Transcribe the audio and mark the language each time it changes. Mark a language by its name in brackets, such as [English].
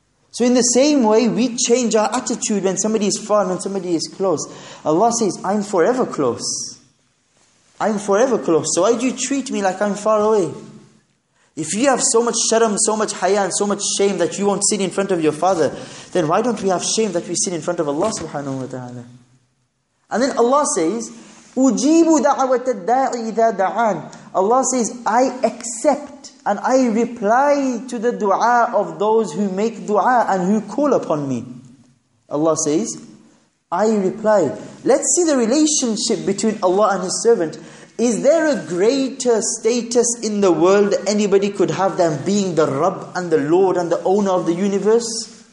[English] So in the same way, we change our attitude when somebody is far and when somebody is close. Allah says, I'm forever close. I'm forever close. So why do you treat me like I'm far away? If you have so much sharam, so much haya, and so much shame that you won't sit in front of your father, then why don't we have shame that we sit in front of Allah subhanahu wa ta'ala? And then Allah says, [Arabic] أُجِيبُ دَعَوَةَ الدَّاعِ إِذَا دَعَانِ. [English] Allah says, I accept and I reply to the dua of those who make dua and who call upon me. Allah says, I reply. Let's see the relationship between Allah and His servant. Is there a greater status in the world anybody could have than being the Rabb and the Lord and the owner of the universe?